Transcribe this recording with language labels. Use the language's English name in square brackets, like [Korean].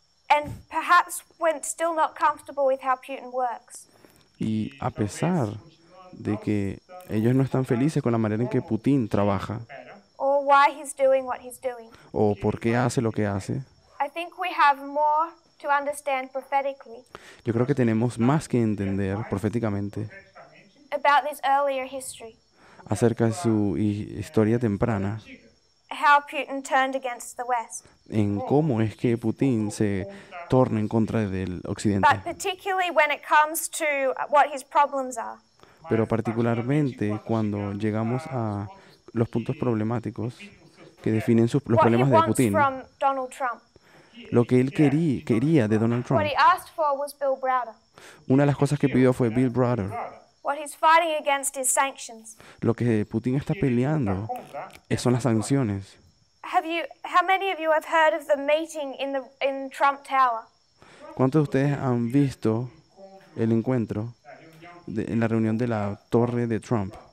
[English] And perhaps went still not comfortable with how Putin works. [Spanish] Y a pesar de que ellos no están felices con la manera en que Putin trabaja. [English] Or why he's doing what he's doing. [Spanish] O por qué hace lo que hace. [English] I think we have more to understand prophetically. [Spanish] Yo creo que tenemos más que entender proféticamente. [English] About this earlier history. [Spanish] Acerca de su historia temprana. [English] How Putin turned against the West. [Spanish] En cómo es que Putin se torna en contra del Occidente. [English] But particularly when it comes to what his problems are. [Spanish] Pero particularmente cuando llegamos a los puntos problemáticos que definen sus, los problemas de Putin. [English] What he wants from Donald Trump. [Spanish] Lo que él quería de Donald Trump. [English] What he asked for was Bill Browder. [Spanish] Una de las cosas que pidió fue Bill Browder. [English] What he's fighting against is sanctions. [Spanish] Lo que Putin está peleando son las sanciones. [English] How many of you have heard of the meeting in Trump Tower? [Spanish] ¿Cuántos de ustedes han visto el encuentro en la reunión de la Torre de Trump?